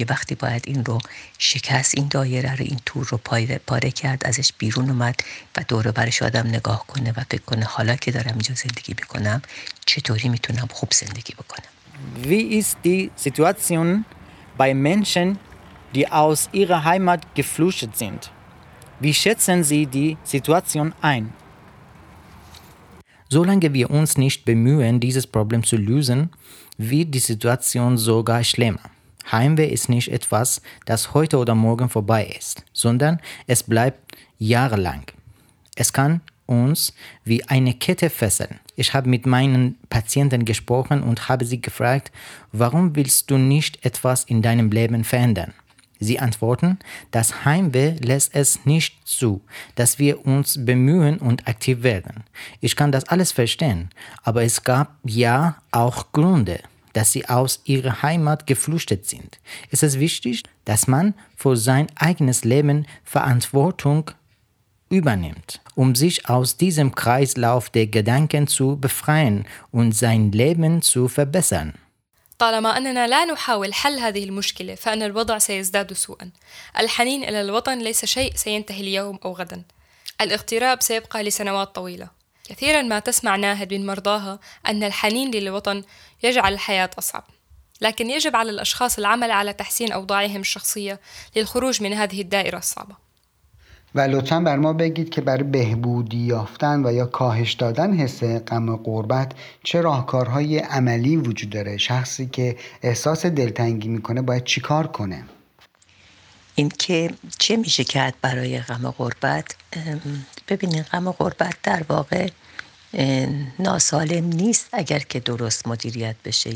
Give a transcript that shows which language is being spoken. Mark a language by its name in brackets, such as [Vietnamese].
[Persian] یه وقتی باید این رو شکست، این دایره رو، این تور رو پاره کرد، ازش بیرون اومد و دور و برش آدم نگاه کنه و فکر کنه حالا که دارم اینجا زندگی بکنم چطوری میتونم خوب زندگی بکنم. [German] وی ایست دی سیتواسیون بای منشن دی اوز ایره هایمت گفلوشت زیند؟ Wie schätzen Sie die Situation ein? Solange wir uns nicht bemühen, dieses Problem zu lösen, wird die Situation sogar schlimmer. Heimweh ist nicht etwas, das heute oder morgen vorbei ist, sondern es bleibt jahrelang. Es kann uns wie eine Kette fesseln. Ich habe mit meinen Patienten gesprochen und habe sie gefragt, warum willst du nicht etwas in deinem Leben verändern? Sie antworten, das Heimweh lässt es nicht zu, dass wir uns bemühen und aktiv werden. Ich kann das alles verstehen, aber es gab ja auch Gründe, dass sie aus ihrer Heimat geflüchtet sind. Ist es wichtig, dass man für sein eigenes Leben Verantwortung übernimmt, um sich aus diesem Kreislauf der Gedanken zu befreien und sein Leben zu verbessern? [Arabic] طالما أننا لا نحاول حل هذه المشكلة فأن الوضع سيزداد سوءا. الحنين إلى الوطن ليس شيء سينتهي اليوم أو غدا، الاغتراب سيبقى لسنوات طويلة. كثيرا ما تسمع ناهد من مرضاها أن الحنين للوطن يجعل الحياة أصعب. لكن يجب على الأشخاص العمل على تحسين أوضاعهم الشخصية للخروج من هذه الدائرة الصعبة. [Persian] و لطفاً بر ما بگید که برای بهبودی یافتن و یا کاهش دادن حس غم و غربت چه راهکارهای عملی وجود داره؟ شخصی که احساس دلتنگی میکنه باید چی کار کنه؟ این که چه میشه کرد برای غم و غربت؟ ببینید غم و غربت در واقع ناسالم نیست اگر که درست مدیریت بشه.